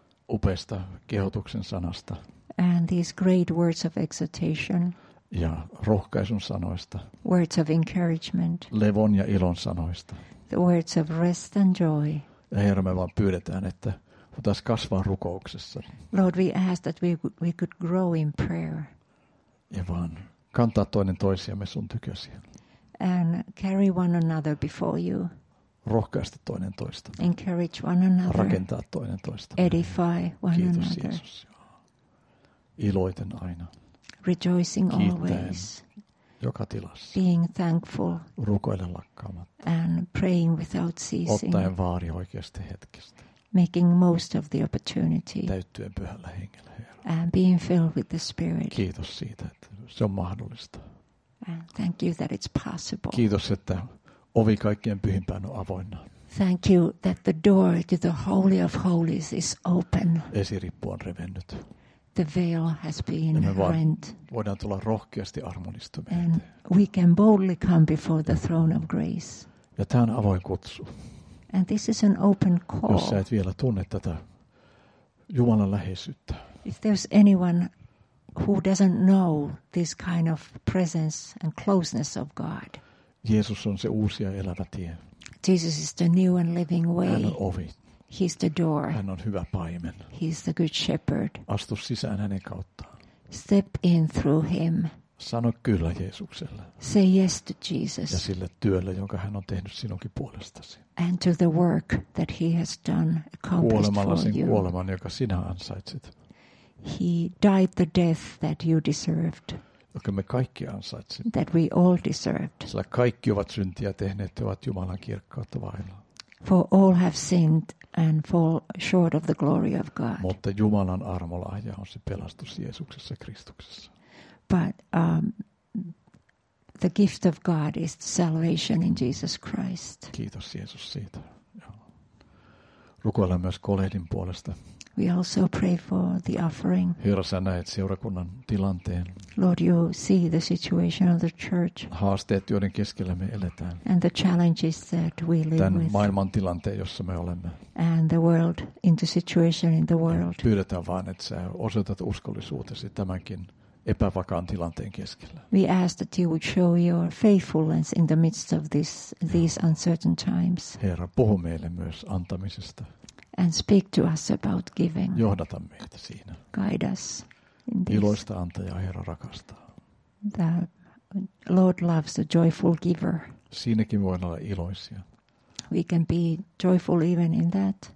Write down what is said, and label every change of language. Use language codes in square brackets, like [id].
[fi] Upeasta kehotuksen sanasta. [en] And these great words of exhortation. [fi] Ja rohkaisun sanoista. [en] Words of encouragement. [fi] Levon ja ilon sanoista. [en] The words of rest and joy. [fi] Ja Herra, me vaan pyydetään, että voitaisiin kasvaa rukouksessa. [en] Lord, we ask that we could grow in prayer. [fi] Ja vaan kantaa toinen toisiamme sun tykösi. [en] And carry one another before you. [fi] Rohkaista toinen toista. [en] Encourage one another. [fi] Rakentaa toinen toista. [en] Edify one [fi] kiitos [en] another. [fi] Kiitos Jeesus. Iloiten aina. [en] Rejoicing [fi] kiitän [en] always. [fi] Joka tilassa. [en] Being thankful. [fi] Rukoilen lakkaamatta. [en] And praying without ceasing. [fi] Ottaen vaari oikeasta hetkestä. [en] Making most of the opportunity. [fi] Täyttyen pyhällä hengellä, Herra. [en] And being filled with the Spirit. [fi] Kiitos siitä, että se on mahdollista. [en] And thank you that it's possible. [fi] Kiitos, että ovi kaikkien pyhimpään on avoinna. [en] Thank you that the door to the Holy of Holies is open. [fi] Esirippu on revennyt. [en] The veil has been rent. [fi] Voidaan tulla rohkeasti armonistumme. [en] And we can boldly come before the throne of grace. [fi] Ja tämä on avoin kutsu. [en] And this is an open call. [fi] Jos sä et vielä tunne tätä Jumalan läheisyyttä. [en] If there's anyone who doesn't know this kind of presence and closeness of God. [fi] Jeesus on se uusi ja elävä tie. [en] Jesus is the new and living way. [fi] Hän on ovi. [en] He's the door. [fi] Hän on hyvä paimen. [en] He's the good shepherd. [fi] Astu sisään hänen kauttaan. [en] Step in through him. [fi] Sano kyllä Jeesukselle. [en] Say yes to Jesus. [fi] Ja sille työlle, jonka hän on tehnyt sinunkin puolestasi. [en] And to the work that he has done accomplished [fi] kuolemalla [en] for you. [fi] Kuoleman, joka sinä ansaitsit. [en] He died the death that you deserved. [fi] Joka me kaikki ansaitsimme. [en] That we all deserved. [fi] Sillä kaikki ovat syntiä tehneet, ovat Jumalan kirkkautta vailla. [en] For all have sinned and fall short of the glory of God. [fi] Mutta Jumalan armolahja on se pelastus Jeesuksessa Kristuksessa. [en] But the gift of God is salvation in Jesus Christ. [fi] Kiitos Jeesus siitä. Rukoillaan myös kolehdin puolesta. [en] We also pray for the offering. [fi] Herra, sä näet seurakunnan tilanteen. [en] Lord, you see the situation of the church. [fi] Haasteet, joiden keskellä me eletään. [en] And the challenges that we live with. [fi] Tämän maailman tilanteen, jossa me olemme. [en] And the world, in the situation in the world. [fi] Pyydetään vaan, että sä osoitat uskollisuutesi tämänkin epävakaan tilanteen keskellä. [en] We ask that you would show your faithfulness in the midst of these uncertain times. [fi] Herra, puhu meille myös antamisesta. [en] And speak to us about giving. [fi] Johdata meitä siinä. [en] Guide us in this. [fi] Iloista antajaa Herra rakastaa. [en] The Lord loves the joyful giver. [fi] Siinäkin voin olla iloisia. [en] We can be joyful even in that.